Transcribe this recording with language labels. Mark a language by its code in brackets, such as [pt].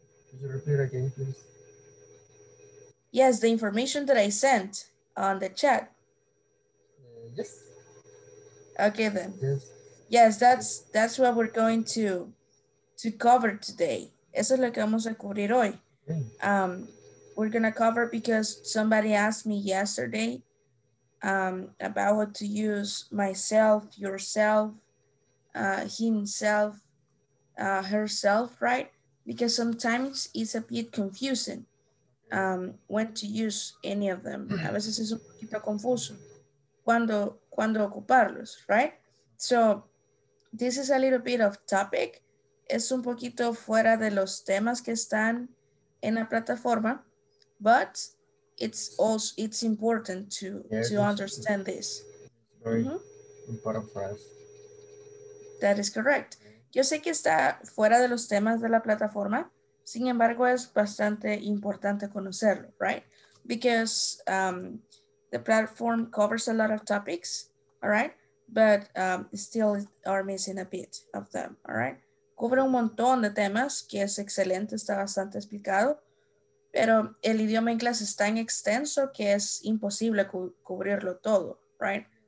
[en] Could you repeat again, please? Yes, the information that I sent on the chat. Yes. Okay then. Yes. Yes, that's what we're going to cover today. [es] Eso es lo que vamos a cubrir hoy. [en] We're gonna cover because somebody asked me yesterday about what to use myself, yourself, himself, herself, right? Because sometimes it's a bit confusing when to use any of them. [es] A veces es un poquito confuso cuando ocuparlos, right? [en] So this is a little bit of topic. [es] Es un poquito fuera de los temas que están en la plataforma, [en] but it's also it's important to to understand this. Very important for us. That is correct. [es] Yo sé que está fuera de los temas de la plataforma, sin embargo es bastante importante conocerlo, right? [en] Because the platform covers a lot of topics, all right? But still are missing a bit of them, all right? [es] Cubre un montón de temas, que es excelente, está bastante explicado, pero el idioma inglés es tan extenso que es imposible cubrirlo todo, right?